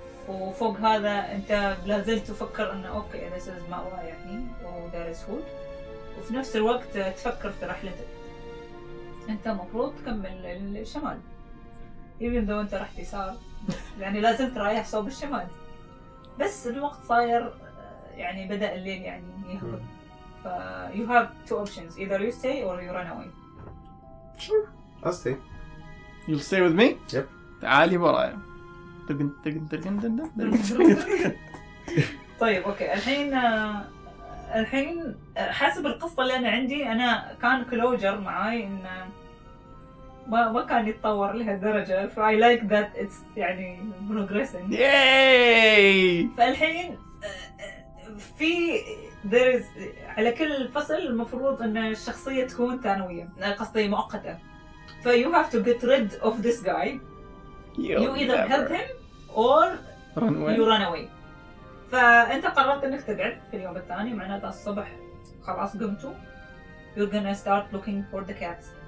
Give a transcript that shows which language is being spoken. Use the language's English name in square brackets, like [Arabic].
[Arabic] وفوق هذا أنت لازلت تفكر إنه أوكي this is مأوى يعني [English] there is food. [Arabic] وفي نفس الوقت تفكر في رحلتك. أنت مفروض تكمل الشمال. يبين دو أنت رحت يسار يعني لازلت رايح صوب الشمال بس الوقت صاير يعني بدأ الليل يعني يهرب. [English] ف you have two options either you stay or you run away. Sure I'll stay. You'll stay with me. Yep. [Arabic] تعالي برايا. تقن تقن تقن تقن تقن تقن تقن تقن. طيب أوكي الحين الحين حسب القصة اللي أنا عندي أنا كان كلوجر معاي إن ما كان يتطور لها درجة ف [English] I like that it's [Arabic] يعني progressing. [English] Yay! [Arabic] فالحين في [English] there is [Arabic] على كل فصل المفروض إن الشخصية تكون ثانوية قصدي مؤقتة. [English] ف you have to get rid of this guy. You either help him or you run away. [Arabic] فأنت قررت إنك تقعد في اليوم الثاني معناته الصبح خلاص قمتوا [English] you're gonna start looking for the cats.